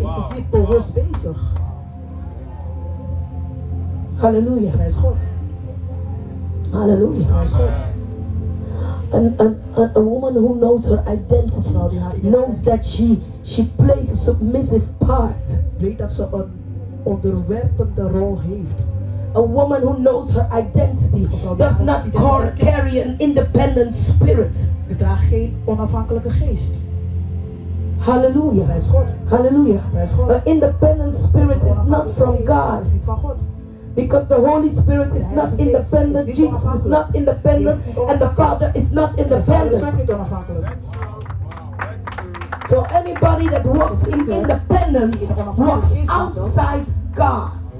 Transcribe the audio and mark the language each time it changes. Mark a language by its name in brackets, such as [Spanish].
[Dutch] Ze is niet bewust bezig. [English] Hallelujah. [Dutch] Hij is God. [English] Hallelujah. [Dutch] Hij is God. [English] A woman who knows her identity, knows that she plays a submissive part. [Dutch] Weet dat ze een onderwerpende rol heeft. [English] A woman who knows her identity does not carry an independent spirit. [Dutch] Ze draagt geen onafhankelijke geest. [English] Hallelujah. [Dutch] Hij is God. [English] Hallelujah. [Dutch] Hij is God. [English] An independent spirit is not from God. [Dutch] Is niet van God. [English] Because the Holy Spirit is not independent, Jesus is not independent, and the Father is not independent. So anybody that walks in independence walks outside God.